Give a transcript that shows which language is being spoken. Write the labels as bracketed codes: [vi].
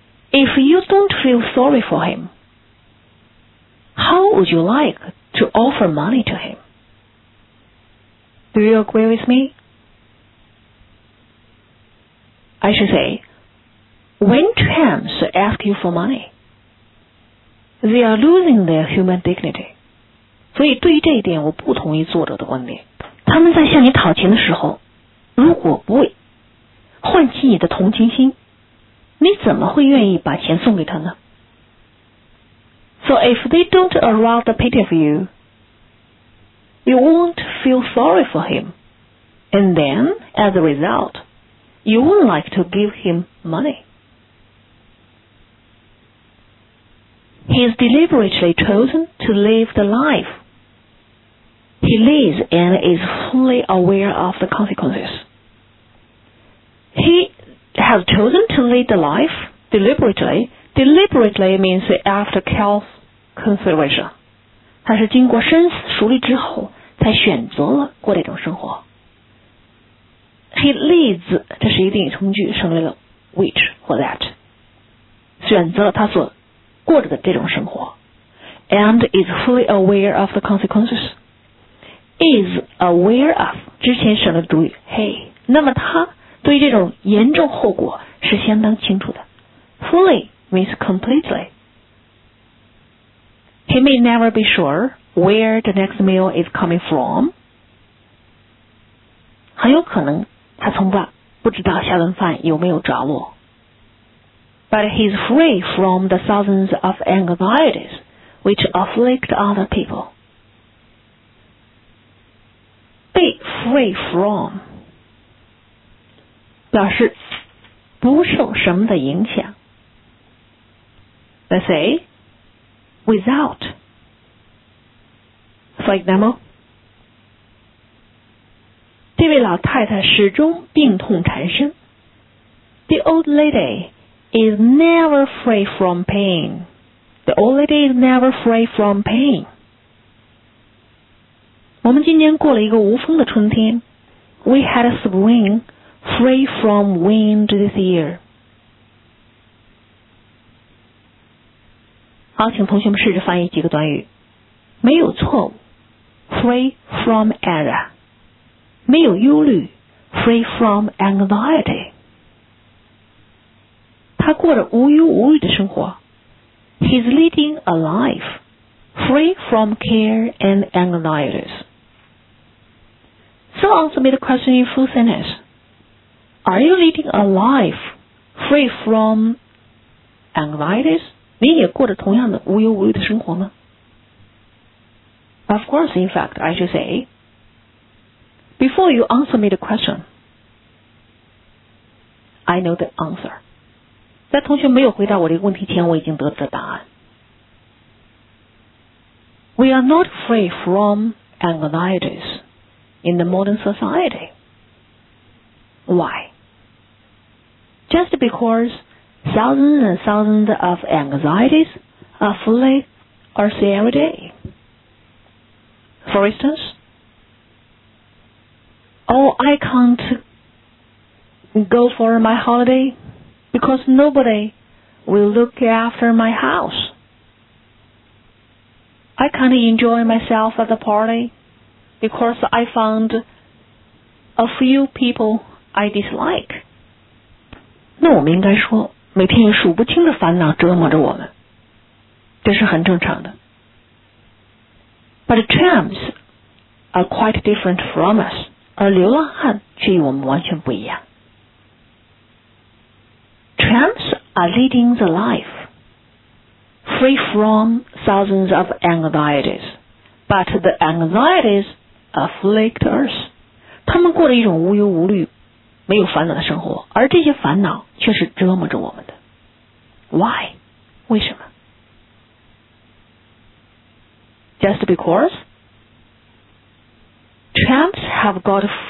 [en] If you don't feel sorry for him, how would you like to offer money to him? Do you agree with me? I should say, when tramps ask you for money, they are losing their human dignity. [zh] 所以对于这一点我不同意作者的观点。他们在向你讨钱的时候，如果不会唤起你的同情心，你怎么会愿意把钱送给他呢？ [en] So if they don't arouse the pity of you, you won't feel sorry for him. And then, as a result, you wouldn't like to give him money. He is deliberately chosen to live the life. He lives and is fully aware of the consequences. He has chosen to lead the life deliberately. Deliberately means after careful consideration. [zh] 他是经过深思熟虑之后才选择了过这种生活。 [en] He leads, [zh] 这是一定语从句，成为了 which 或 that. 选择了他所过着的这种生活。 [en] And is fully aware of the consequences. Is aware of, [zh] 之前省了主语 hey. 那么他对于这种严重后果是相当清楚的。 [en] Fully means completely. He may never be sure where the next meal is coming from. [zh] 很有可能他从不知道下顿饭有没有着落。 [en] But he is free from the thousands of anxieties which afflict other people. Be free from [zh] 表示不受什么的影响。 [en] Let's say, without. For example, [zh] 这位老太太始终病痛缠身。 [en] The old lady is never free from pain. The old lady is never free from pain. [zh] 我们今年过了一个无风的春天。 [en] We had a spring free from wind this year. [zh] 好，请同学们试着翻译几个短语。没有错误。 [en] Free from error. [zh] 没有忧虑 [en] free from anxiety. [zh] 他过着无忧无虑的生活。 [en] He's leading a life free from care and anxieties. So answer me the question in full sentence. Are you leading a life free from anxieties? [zh] 你也过着同样的无忧无虑的生活吗？ [en] Of course, in fact, I should say, Before you answer me the question, I know the answer. [zh] 在同学没有回答我这个问题前，我已经得知了答案。 [en] We are not free from anxieties in the modern society. Why? Just because thousands and thousands of anxieties afflict us every day. For instance,Oh, I can't go for my holiday because nobody will look after my house. I can't enjoy myself at the party because I found a few people I dislike. [zh] 那我们应该说，每天有数不清的烦恼折磨着我们，这是很正常的。 [en] But the tramps are quite different from us. [zh] 而流浪汉却与我们完全不一样。 [en] Tramps are leading the life free from thousands of anxieties, but the anxieties afflict us. [zh] 他们过着一种无忧无虑、没有烦恼的生活，而这些烦恼却是折磨着我们的。 [en] Why? [zh] 为什么？ [en] Just because?Tramps have got